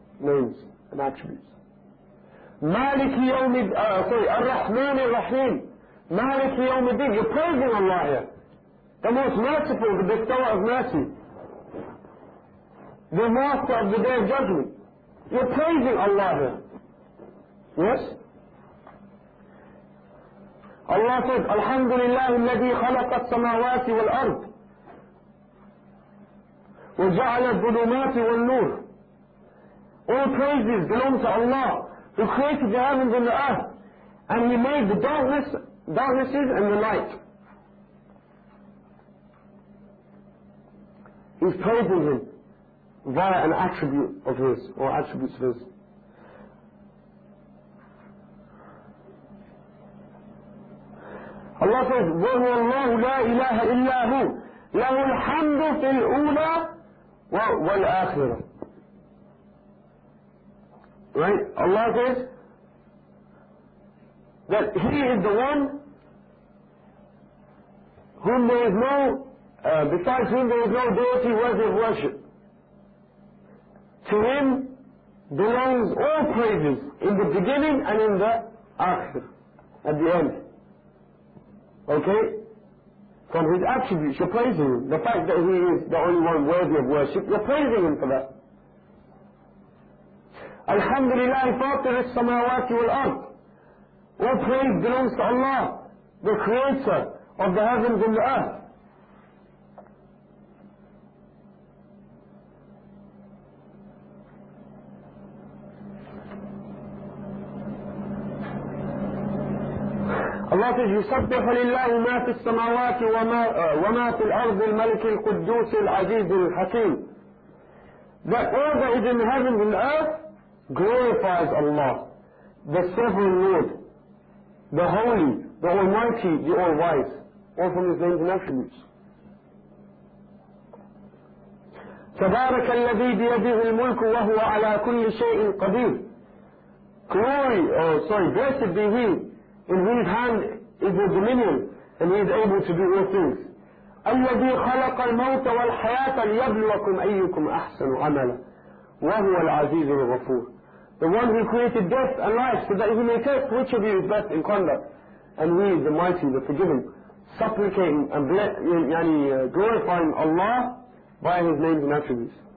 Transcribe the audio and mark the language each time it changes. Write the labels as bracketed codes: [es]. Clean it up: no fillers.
[en] Names and attributes. Maliki Yawmi, Ar-Rahman Ar-Rahim. Maliki Yawmi Din. You're praising Allah here. The most merciful, the bestower of mercy. The master of the day of judgment. You're praising Allah here. Yes? Allah says, [ar] Alhamdulillah, الذي خلق السماوات والأرض وجعل الظلمات والنور. [en] All praises belong to Allah, who created the heavens and the earth, and He made the darknesses and the light. He's praising Him via an attribute of His, or attributes of His. Allah says, [ar] وَهُوَ اللَّهُ لَا إِلَهَ إِلَّا هُوْ لَهُ الْحَمْدُ فِي الْأُولَى وَالْآخِرَةِ. [en] Right? Allah says that He is the one whom there is no, besides whom there is no deity worthy of worship. To Him belongs all praises in the beginning and in the akhir, at the end. Okay? From His attributes, you're praising Him. The fact that He is the only one worthy of worship, you're praising Him for that. [ar] Alhamdulillah, Fatir al-Samawati wal-Ard. [en] All praise belongs to Allah, the Creator of the heavens and the earth. Allah says, [ar] يسبح لله ما في السماوات وما في الأرض الملك القدوس العزيز الحكيم. [en] That all that is in heaven and earth glorifies Allah, the sovereign Lord, the holy, the almighty, the all wise, all from His names and attributes. [ar] تبارك الذي بيده الملك وهو على كل شيء قدير. [en] Blessed be He, in whose hand is the dominion, and He is able to do all things. [ar] الذي خلق الموت والحياة ليبلوكم أيكم أحسن عملا وهو العزيز الغفور. [en] The one who created death and life so that He may test which of you is best in conduct. And we, the mighty, the forgiven, supplicating and glorifying Allah by His names and attributes.